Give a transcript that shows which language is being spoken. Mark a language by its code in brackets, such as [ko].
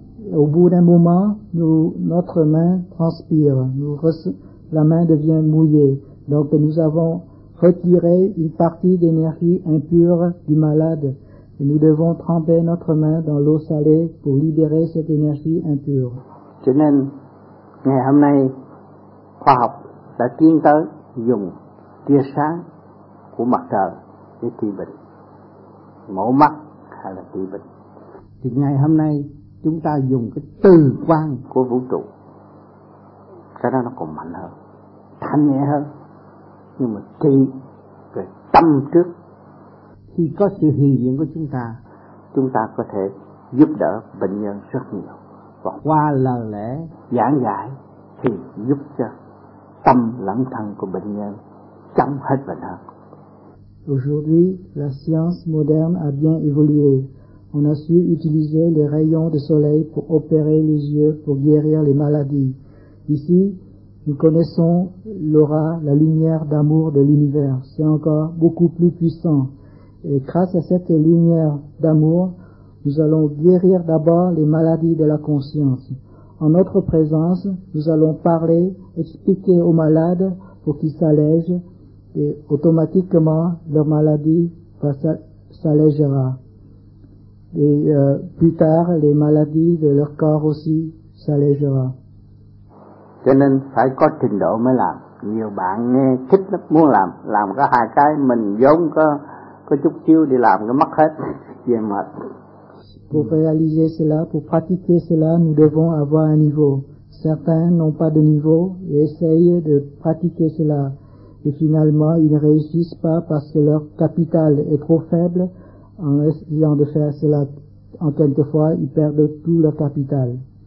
[fr] Et au bout d'un moment, notre main transpire, la main devient mouillée. Donc nous avons retirer une partie d'énergie impure du malade et nous devons tremper notre main dans l'eau salée pour libérer cette énergie impure. [vi] Cho nên ngày hôm nay khoa học đã tiến tới dùng tia sáng của mặt trời để trị bệnh mổ mắt hay là trị bệnh. Thì ngày hôm nay chúng ta dùng cái từ quang của vũ trụ, cái đó nó còn mạnh hơn, thanh nhẹ hơn, nhưng mà trị về tâm trước. Khi có sự hiện diện của chúng ta có thể giúp đỡ bệnh nhân rất nhiều, và qua lời lẽ giảng giải thì giúp cho tâm lẫn thân của bệnh nhân chống hết bệnh hơn. [fr] Aujourd'hui, la science moderne a bien évolué. On a su utiliser les rayons de soleil pour opérer les yeux, pour guérir les maladies. Ici, nous connaissons l'aura, la lumière d'amour de l'univers. C'est encore beaucoup plus puissant. Et grâce à cette lumière d'amour, nous allons guérir d'abord les maladies de la conscience. En notre présence, nous allons parler, expliquer aux malades pour qu'ils s'allègent et automatiquement leur maladie s'allégera. Et plus tard, les maladies de leur corps aussi s'allégera. [vi] Cho nên phải có trình độ mới làm. Nhiều bạn nghe thích lắm, muốn làm có hai cái, mình vốn có chút chiêu đi làm cái mất hết, về mệt. [fr] Pour réaliser cela, pour pratiquer cela, nous devons avoir un niveau. Certains n'ont pas de niveau et essayent de pratiquer cela. Et finalement, ils ne réussissent pas parce que leur capital est trop faible. En essayant de faire cela, en quelque fois, ils perdent tout leur capital.